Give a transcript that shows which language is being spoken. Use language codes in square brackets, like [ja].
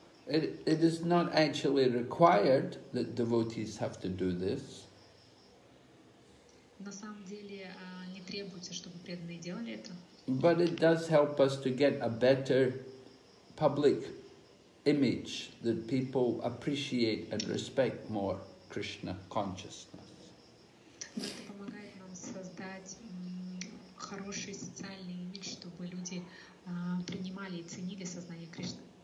[en] It is not actually required that devotees have to do this. [ru] На самом деле не требуется, чтобы преданные делали это. [en] But it does help us to get a better public image that people appreciate and respect more Krishna consciousness. [ru] Это помогает нам создать хороший социальный имидж, чтобы люди принимали и ценили сознание Кришны.